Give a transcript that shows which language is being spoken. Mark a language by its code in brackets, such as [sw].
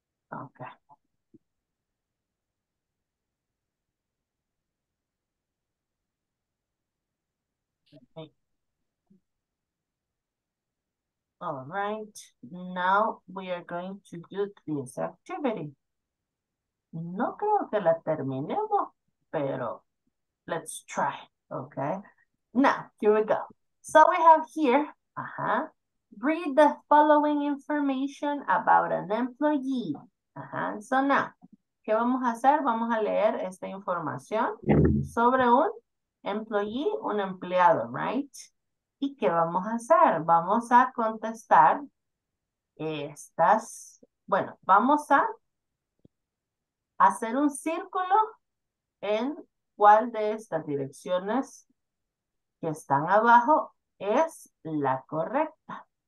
[en] Okay. All right. Now, we are going to do this activity. [es] No creo que la terminemos, pero [en] let's try, okay? Now, here we go. So we have here, read the following information about an employee. So now, [es] ¿qué vamos a hacer? Vamos a leer esta información sobre un employee, un empleado, right? ¿Y qué vamos a hacer? Vamos a contestar estas, bueno, vamos a hacer un círculo en cuál de estas direcciones que están abajo es la correcta.